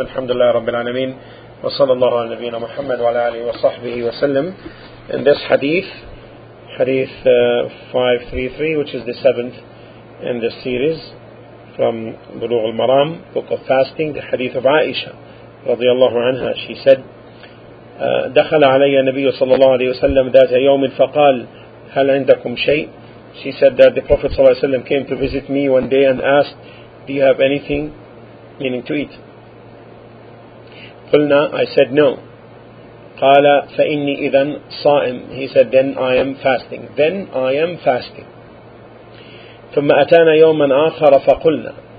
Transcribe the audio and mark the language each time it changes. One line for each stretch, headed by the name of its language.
Arabic: الحمد لله رب العالمين وصلى الله على نبينا محمد وعلى آله وصحبه وسلم.
English: In this hadith, hadith 533, which is the seventh in this series from Bulugh al-Maram, Book of Fasting, the hadith of Aisha
Arabic: رضي الله عنها.
English: She said,
Arabic: دخل علي النبي صلى الله عليه وسلم ذات يوم فقال هل عندكم شيء.
English: She said that the Prophet
Arabic: صلى الله عليه وسلم
English: came to visit me one day and asked, do you have anything, meaning to eat?
Arabic: قلنا,
English: I said no.
Arabic: قال فإني إذن صائم.
English: He said, then I am fasting. Then I am fasting.
Arabic: ثم أتانا يوما آخر فقلنا.